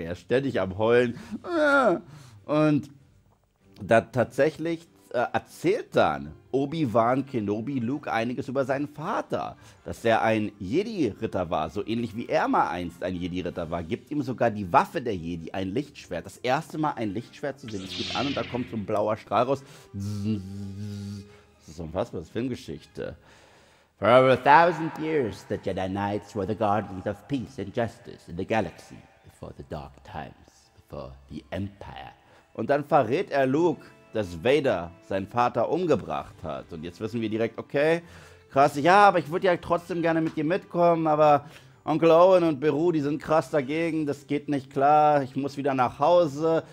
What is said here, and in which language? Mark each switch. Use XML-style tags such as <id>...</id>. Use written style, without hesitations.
<de>Er ist ständig am Heulen. Und da tatsächlich erzählt dann Obi-Wan Kenobi Luke einiges über seinen Vater. Dass er ein Jedi-Ritter war, so ähnlich wie er mal einst ein Jedi-Ritter war. Gibt ihm sogar die Waffe der Jedi, ein Lichtschwert. Das erste Mal ein Lichtschwert zu sehen. Es geht an und da kommt so ein blauer Strahl raus. Das ist unfassbar, das ist Filmgeschichte.</de> <en>For over a thousand years, the Jedi Knights were the guardians of peace and justice in the galaxy. Before the dark times, before the Empire.</en> <de>Und dann verrät er Luke, dass Vader seinen Vater umgebracht hat. Und jetzt wissen wir direkt, okay, krass, ja, aber ich würde ja trotzdem gerne mit dir mitkommen, aber Onkel Owen und Beru, die sind krass dagegen, das geht nicht klar, ich muss wieder nach Hause.</de>